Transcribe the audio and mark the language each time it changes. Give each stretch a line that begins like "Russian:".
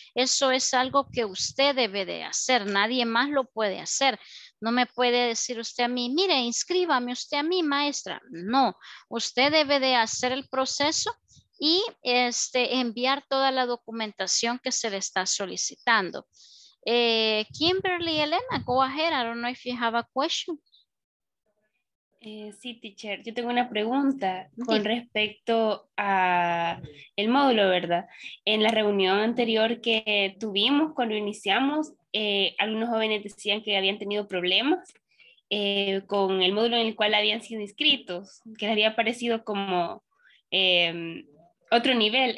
Spanish: Eso es algo que usted debe de hacer, nadie más lo puede hacer. No me puede decir usted a mí, mire, inscríbame usted a mí, maestra. No, usted debe de hacer el proceso y enviar toda la documentación que se le está solicitando.
English: Kimberly, Elena, go ahead. I don't know if you have a question.
Spanish: Sí, teacher, yo tengo una pregunta con respecto a el módulo, ¿verdad? En la reunión anterior que tuvimos cuando iniciamos, algunos jóvenes decían que habían tenido problemas con el módulo en el cual habían sido inscritos, que les había parecido como otro nivel.